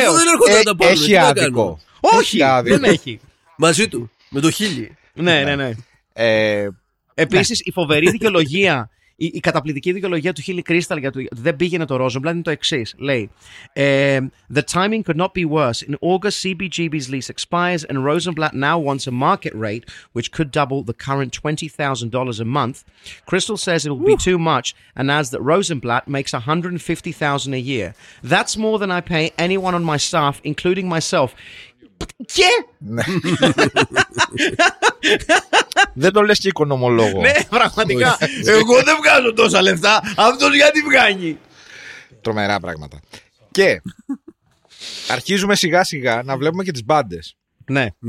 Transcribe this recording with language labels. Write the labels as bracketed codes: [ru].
[el] Αυτό δεν έρχονται να τα πω. Έχει άδικο. Όχι, δεν έχει. Μαζί του, με το Χίλι. Ναι, ναι, ναι. Επίσης, η φοβερή δικαιολογία, η καταπληκτική δικαιολογία του Χίλι Κρίσταλ για το δεν πήγαινε το Ρόζενμπλατ είναι το εξής. Λέει, [en] the timing could not be worse. In August, CBGB's lease expires and Rosenblatt now wants a market rate which could double the current $20,000 a month. Crystal says it will be too much and adds that Rosenblatt makes $150,000 a year. That's more than I pay anyone on my staff, including myself. [el] Και! Δεν το λες και οικονομολόγο. Ναι, πραγματικά. Εγώ δεν βγάζω τόσα λεφτά. Αυτός γιατί βγάζει. Τρομερά πράγματα. Και αρχίζουμε σιγά σιγά να βλέπουμε και τις μπάντες. Ναι.